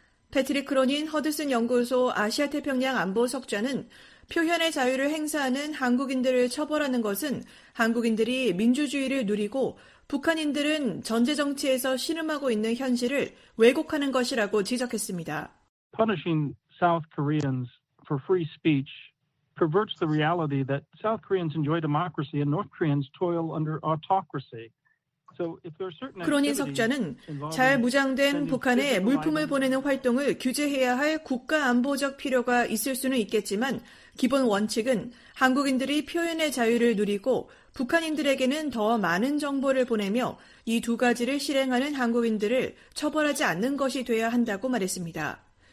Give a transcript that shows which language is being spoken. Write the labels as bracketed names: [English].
[Korean] 패트릭 크로닌 허드슨 연구소 아시아태평양 안보석좌는 표현의 자유를 행사하는 한국인들을 처벌하는 것은 한국인들이 민주주의를 누리고 북한인들은 전제정치에서 신음하고 있는 현실을 왜곡하는 것이라고 지적했습니다. [English] Punishing South Koreans for free speech perverts the reality that South Koreans enjoy democracy and North Koreans toil under autocracy. So if there are certain [Korean] 크로닌 석좌는 잘 무장된 북한에 물품을 보내는 활동을 규제해야 할 국가 안보적 필요가 있을 수는 있겠지만 기본 원칙은 한국인들이 표현의 자유를 누리고 북한인들에게는 더 많은 정보를 보내며 이 두 가지를 실행하는 한국인들을 처벌하지 않는 것이 돼야 한다고 말했습니다.